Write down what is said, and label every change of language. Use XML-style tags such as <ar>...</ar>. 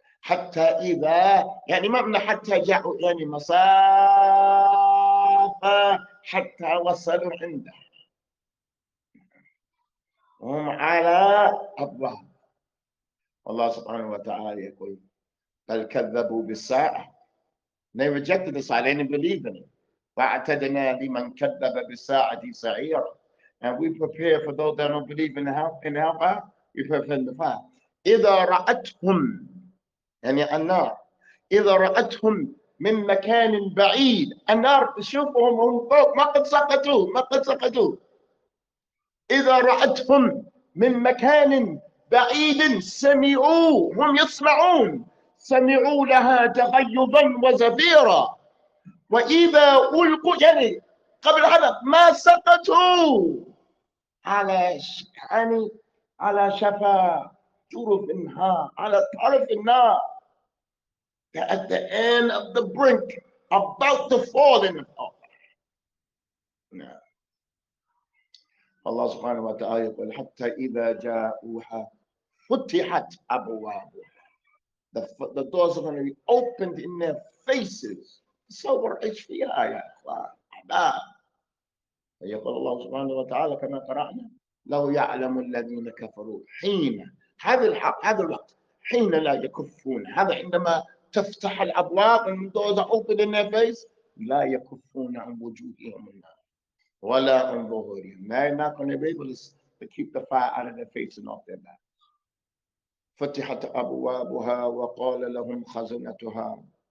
<ar>حتى إذا، يعني ما من حتى جاءوا، يعني مسافة حتى وصلوا عنده. هم على أبواب. الله سبحانه وتعالى يقول بل كذبوا بالساعة.</ar> <en>They rejected the sign. They didn't believe in it.</en> <ar>واعتدنا لمن كذب بالساعة سعيرا.</ar> <en>And we prepare for those that don't believe in hellfire. We prepare in the fire.</en> <ar>إذا رأتهم، يعني النار، إذا رأتهم من مكان بعيد. النار تشوفهم هم فوق، ما قد سقطوا، ما قد سقطوا. إذا رأتهم من مكان بعيد سمعوا، هم يسمعون، سمعوا لها تغيظا وزفيرا. وإذا ألقوا، يعني قبل هذا ما سقطوا، على يعني على شفا جرف النار، على طرف النار.</ar> <en>They're at the end of the brink, about to fall in the fire.</en> <ar>نعم. الله سبحانه وتعالى يقول حتى إذا جاءوها فتحت أبوابها.</ar> <en>The doors are going to be opened in their faces.</en> <ar>صور ايش فيها يا اخوان؟ يقول الله سبحانه وتعالى كما قرأنا لو يعلم الذين كفروا حين، هذا الحق، هذا الوقت، حين لا يكفون، هذا عندما تفتح الابواب</ar> <en>and those open in their face،</en> <ar>لا يكفون عن وجوههم النار ولا عن ظهورهم.</ar> <en>They're not going to be able to keep the fire out of their face and off their back.</en> <ar>فتحت ابوابها وقال لهم خزنتها.</ar>